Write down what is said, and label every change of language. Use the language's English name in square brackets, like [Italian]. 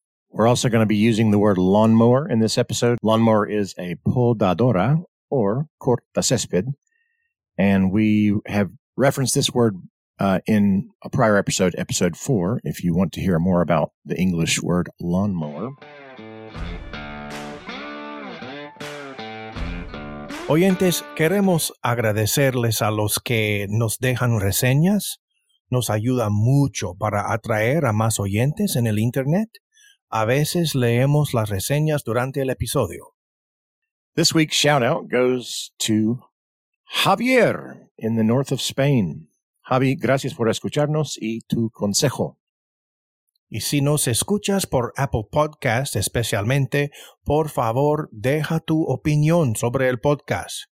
[English] We're also going to be using the word lawnmower in this episode. Lawnmower is a podadora or corta césped. And we have referenced this word in a prior episode, episode 4, if you want to hear more about the English word lawnmower. [Spanish] Oyentes, queremos agradecerles a los que nos dejan reseñas. Nos ayuda mucho para atraer a más oyentes en el Internet. A veces leemos las reseñas durante el episodio. [English] This week's shout out goes to Javier in the north of Spain. [Spanish] Javi, gracias por escucharnos y tu consejo. Y si nos escuchas por Apple Podcast especialmente, por favor, deja tu opinión sobre el podcast.